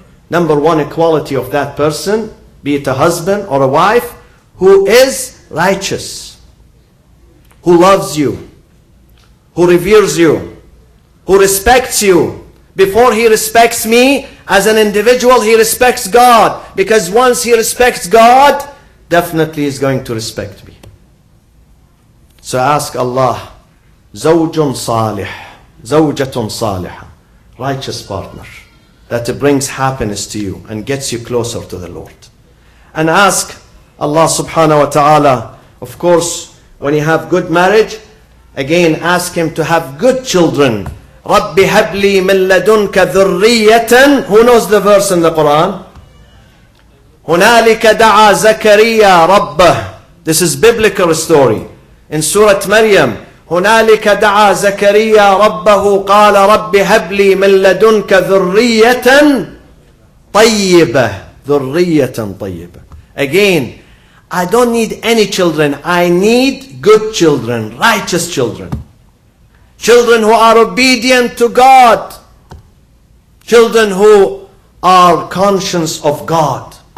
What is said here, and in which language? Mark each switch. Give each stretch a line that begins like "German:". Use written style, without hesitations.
English: Number one, equality of that person, be it a husband or a wife, who is righteous, who loves you, who reveres you, who respects you. Before he respects me as an individual, he respects God. Because once he respects God, definitely he's going to respect me. So ask Allah,
Arabic: زوج صالح, زوجة صالحة,
English: righteous partner that brings happiness to you and gets you closer to the Lord. And ask Allah subhanahu wa ta'ala, of course, when you have good marriage, again ask Him to have good children.
Arabic: رَبِّ هَبْلِي مِنْ لَدُنْكَ ذُرِّيَّةً.
English: Who knows the verse in the Quran?
Arabic: هُنَالِكَ دَعَى زَكَرِيَّا رَبَّهُ.
English: This is biblical story. In Surah Maryam,
Arabic: هُنَالِكَ دَعَى زَكَرِيَّا رَبَّهُ قَالَ رَبِّ هَبْلِي مِنْ لَدُنْكَ ذُرِّيَّةً طَيِّبَةً. ذُرِّيَّةً طَيِّبَةً.
English: Again, I don't need any children. I need good children, righteous children. Children who are obedient to God. Children who are conscious of God.